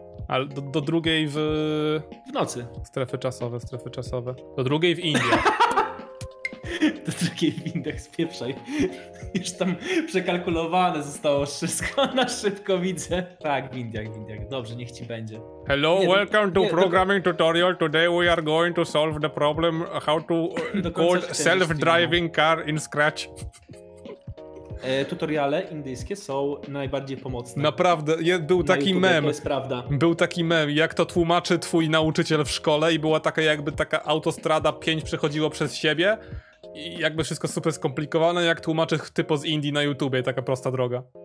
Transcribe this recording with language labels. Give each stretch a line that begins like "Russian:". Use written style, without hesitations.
Polish: Ale do drugiej w... W nocy. Strefy czasowe. Do drugiej w Indiach. Do drugiej w Indiach, z pierwszej. Już tam przekalkulowane zostało wszystko, na szybko widzę. Tak, w Indiach. Dobrze, niech ci będzie.
English: Hello,
Polish: nie,
English: welcome to nie, programming
Polish: dobra.
English: Tutorial. Today we are going to solve the problem how to code self-driving car in Scratch.
Polish: Tutoriale indyjskie są najbardziej pomocne. Naprawdę, był na taki YouTube, mem. To jest prawda. Był taki mem, jak to tłumaczy twój nauczyciel w szkole i była taka jakby taka autostrada 5 przechodziło przez siebie i jakby wszystko super skomplikowane, jak tłumaczy typo z Indii na YouTubie, taka prosta droga.